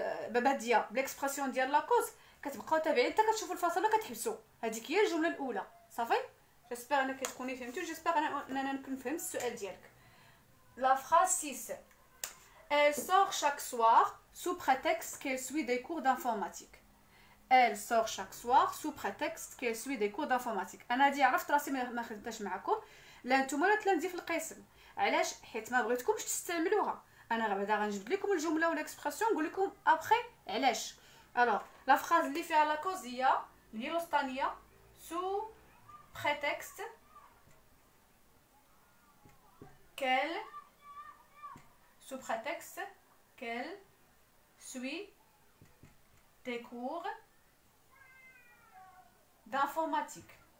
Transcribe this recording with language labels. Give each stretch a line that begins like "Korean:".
Arabic: ببديه بالاكسبرسيون ديال لاكوز كتبقاو تابعين حتى كتشوفوا الفاصله كتحبسوا هذيك هي الجمله الاولى صافي جيسبر انك تكوني فهمتي جيسبر انا نكون فهمت السؤال ديالك
French: La phrase 6. Elle sort chaque soir sous prétexte qu'elle suit des cours d'informatique. Elle sort chaque soir sous prétexte qu'elle suit des cours d'informatique.
Arabic: Ana di عرفت راسي ما خدمتش معكم لا نتوما لا تلمدي في القسم علاش حيت ما بغيتكمش تستعملوها انا بعدا غنجيب لكم الجمله ولا اكسبرسيون نقول لكم ابري علاش
French: alors la phrase
Arabic: اللي فيها
French: la cause
Arabic: هي اللي وسطانيه
French: sous prétexte qu'elle sous prétexte qu'elle suit des cours d'informatique.